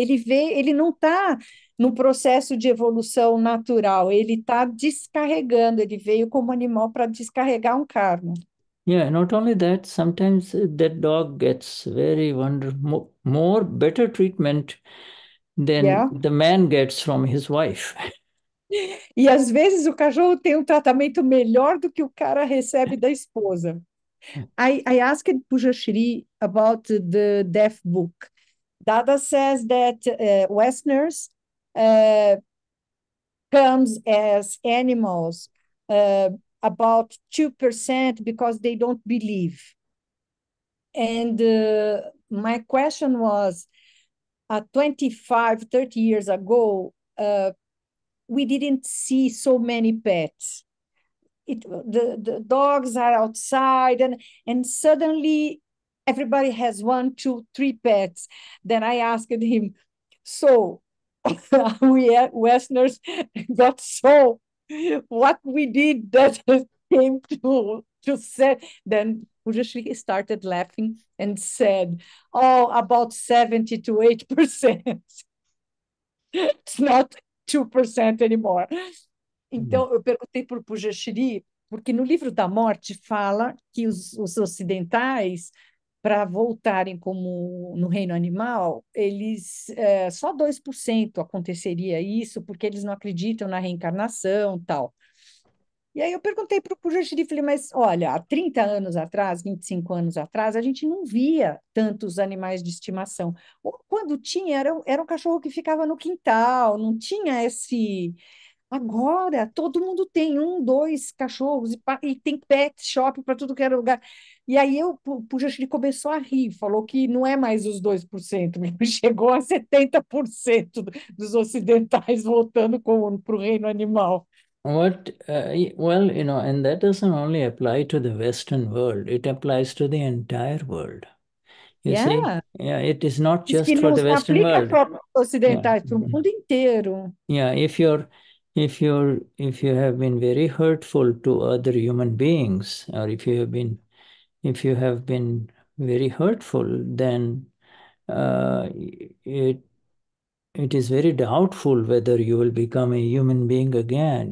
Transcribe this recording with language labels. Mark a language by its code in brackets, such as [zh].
[pt] Ele não está num processo de evolução natural. Ele está descarregando. Ele veio como animal para descarregar um karma. [en] Yeah, not only that, sometimes that dog gets very wonderful, more better treatment than the man gets from his wife. [pt] E às vezes o cachorro tem tratamento melhor do que o cara recebe da esposa. [en] I asked Pujashri about the death book. Dada says that Westerners comes as animals about 2% because they don't believe. And my question was, 25, 30 years ago, we didn't see so many pets. The dogs are outside, and suddenly everybody has one, two, three pets. Then I asked him, so we Westerners got so what we did that came to set. Then Pujashri started laughing and said, oh, about 70 to 80%. It's not 2% anymore. [pt] Então, eu perguntei para o Pujashri, porque no livro da morte fala que os ocidentais, para voltarem como no reino animal, eles só 2% aconteceria isso, porque eles não acreditam na reencarnação e tal. E aí eu perguntei para o Pujashri, falei, mas olha, há 30 anos atrás, 25 anos atrás, a gente não via tantos animais de estimação. Ou, quando tinha, era um cachorro que ficava no quintal, não tinha esse... Agora, todo mundo tem um, dois cachorros e tem pet shop para tudo que era lugar. E aí Pujashri começou a rir, falou que não é mais os 2%, chegou a 70% dos ocidentais voltando para o reino animal. [en] And that doesn't only apply to the Western world, it applies to the entire world. You see? Yeah, it is not just for the Western world. [pt] Para os ocidentais, para o mundo inteiro. [en] Yeah, if you have been very hurtful to other human beings, or if you have been very hurtful, then it is very doubtful whether you will become a human being again.